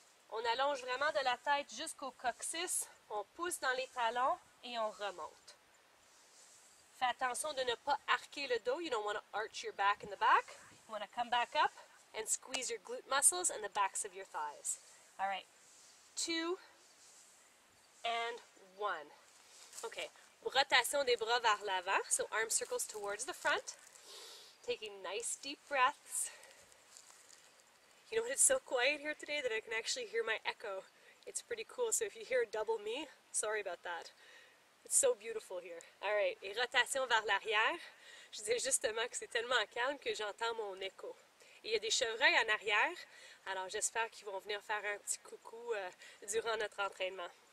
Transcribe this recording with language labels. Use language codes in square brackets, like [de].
[fr] On allonge vraiment de la tête jusqu'au coccyx. On pousse dans les talons et on remonte. Fais attention de ne pas arquer le dos. [en] You don't want to arch your back in the back. You want to come back up and squeeze your glute muscles and the backs of your thighs. All right, two and one. Okay, [fr] rotation des bras vers l'avant, [en] so arm circles towards the front. Taking nice deep breaths. You know what, it's so quiet here today that I can actually hear my echo. It's pretty cool, so if you hear double me, sorry about that. It's so beautiful here. All right, [fr] et rotation vers l'arrière. Je disais justement que c'est tellement calme que j'entends mon écho. Il y a des chevreuils en arrière, alors j'espère qu'ils vont venir faire un petit coucou durant notre entraînement.